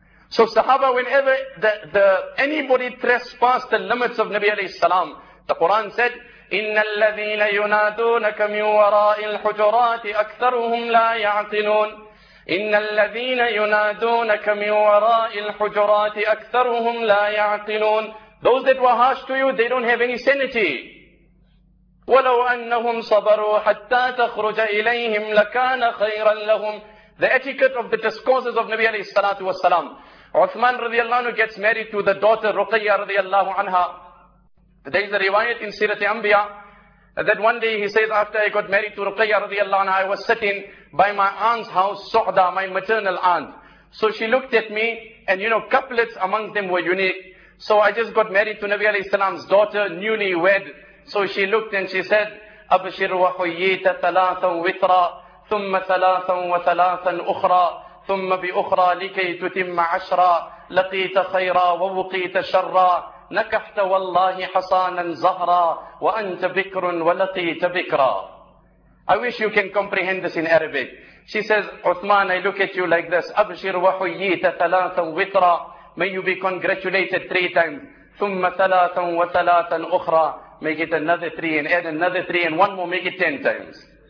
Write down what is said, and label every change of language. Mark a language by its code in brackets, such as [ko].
[en] So Sahaba, whenever anybody trespassed the limits of Nabi alayhi salam, the Quran said, [ar] إِنَّ الَّذِينَ يُنَادُونَكَ مِنْ وَرَاءِ الْحُجُرَاتِ أَكْثَرُهُمْ لَا يَعْقِلُونَ إِنَّ الَّذِينَ يُنَادُونَكَ مِنْ وَرَاءِ الْحُجُرَاتِ أَكْثَرُهُمْ لَا يَعْقِلُونَ. [en] Those that were harsh to you, they don't have any sanity. [ar] وَلَوْ أَنَّهُمْ صَبَرُوا حَتَّى تَخْرُجَ إِلَيْهِمْ لَكَانَ خَيْرًا لَهُمْ. [en] The etiquette of the discourses of Nabi alayhi salatu wa salam. Uthman radiallahu anhu gets married to the daughter Ruqayya radiallahu anha. There is a riwayat in Sirat al-Anbiya that one day he says, after I got married to Ruqayya radiallahu anha, I was sitting by my aunt's house, Su'da, my maternal aunt. So she looked at me, and you know, couplets among them were unique. So I just got married to Nabi alayhi salam's daughter, newly wed. So she looked and she said, [ar] أَبْشِرْ وَحُيِّيْتَ ثَلَاثًا وِتْرًا ثُمَّ ثَلَاثًا وَثَلَاثًا أُخْرَى ثُمَّ بِأُخْرَى لِكَيْ تُتِمَّ عَشْرًا لَقِيْتَ خَيْرًا وَوُقِيْتَ شَرًّا نَكَحْتَ وَاللَّهِ حَصَانًا زَهْرًا وَأَنْتَ بِكْرٌ وَلَقِيْتَ بِكْرًا. [en] I wish you can comprehend this in Arabic. She says, Uthman, I look at you like this. [ar] أَبْشِرْ وَحُيِّيْتَ ثَلَاثًا وِتْرًا. [en] May you be congratulated three times. [ar] ثُمَّ ثَلَاثًا وَثَلَاثًا أُخْرَى. [en] Make it another three and add another three and one more, make it 10 times.